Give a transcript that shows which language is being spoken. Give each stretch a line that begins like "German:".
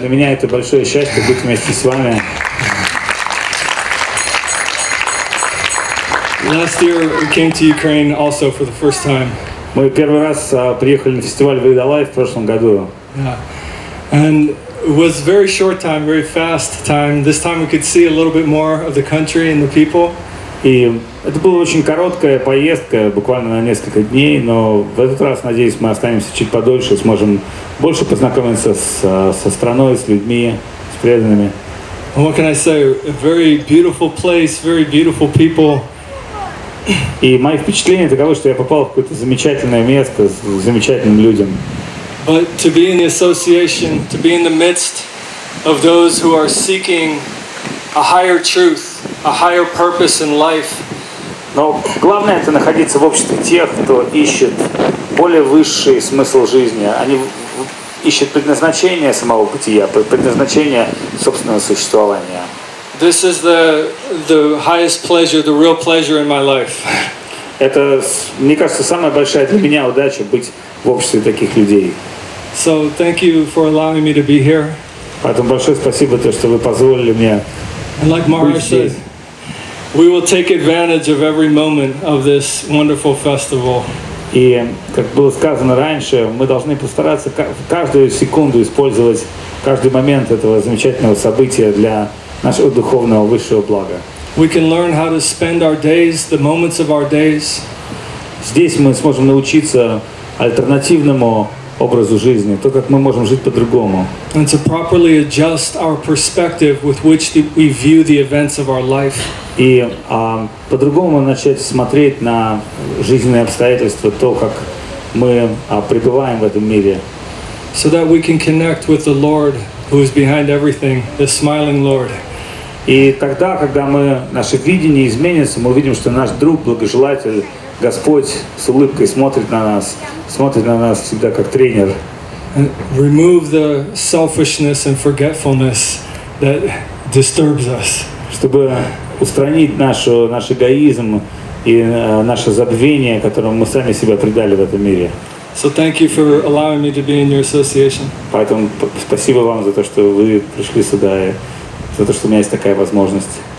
Russian: Для меня это большое счастье быть вместе с вами.
English: Last year we came to Ukraine also for the first time.
Russian: Мы первый раз приехали на фестиваль Vida Life в прошлом году.
English: And it was very short time, very fast time. This time we could see a little bit more of the country and the people.
Russian: И это была очень короткая поездка, буквально на несколько дней, но в этот раз, надеюсь, мы останемся чуть подольше, сможем больше познакомиться со страной, с людьми, с преданными.
English: What can I say? A very beautiful place, very beautiful people.
Russian: И мои впечатления таковы, что я попал в какое-то замечательное место с замечательным людям.
English: But to be in the association, to be in the midst of those who are seeking a higher truth, a higher purpose in life.
Russian: Но главное это находиться в обществе тех, кто ищет более высший смысл жизни. Они ищут предназначение самого бытия, предназначение собственного существования.
English: This is the highest pleasure, the real pleasure in my life.
Russian: Это, мне кажется, самая большая для меня удача быть в обществе таких людей.
English: So thank you for allowing me to be here.
Russian: Поэтому большое спасибо то, что вы позволили мне.
English: And like Mario said, we will take advantage of every moment of this wonderful festival.
Russian: И как было сказано раньше, мы должны постараться каждую секунду использовать каждый момент этого замечательного события для нашего духовного высшего блага.
English: We can learn how to spend our days, the moments of our days.
Russian: Здесь мы сможем научиться альтернативному образу жизни, то, как мы можем жить по-другому.
English: And to properly adjust our perspective with which we view the events of our life.
Russian: И по-другому начать смотреть на жизненные обстоятельства, то, как мы пребываем в этом мире.
English: So that we can connect with the Lord who is behind everything, the smiling Lord.
Russian: И тогда, когда мы, наше видение изменится, мы увидим, что наш друг, благожелатель, Господь с улыбкой смотрит на нас всегда как тренер.
English: And remove the selfishness and forgetfulness that disturbs us.
Russian: Чтобы устранить наш эгоизм и наше забвение, которым мы сами себя предали в этом мире.
English: So thank you for allowing me to be in your association.
Russian: Поэтому спасибо вам за то, что вы пришли сюда и за то, что у меня есть такая возможность.